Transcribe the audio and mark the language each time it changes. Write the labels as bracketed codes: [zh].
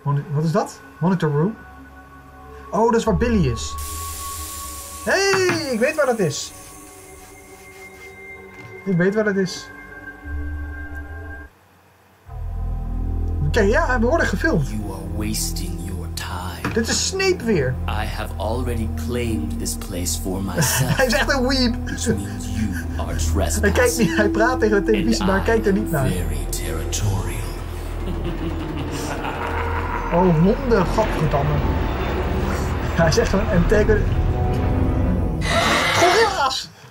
[nl] Wat is dat? Monitor room? Oh, dat is waar Billy is. Hé, hey, ik weet waar dat is. Ik weet waar het is. Kijk, ja, we worden gefilmd. [en] You are wasting your time. [nl] Dit is Snape weer. [en] I have already claimed this place for myself. [nl] Hij is echt een weeb. [en] Which means you are trespassing. [nl] Hij kijkt niet, hij praat tegen de televisie, maar hij kijkt er niet naar. [en] Very territorial. [nl] Oh, honden, godverdamme. Hij is echt een tegen. Gorilla's!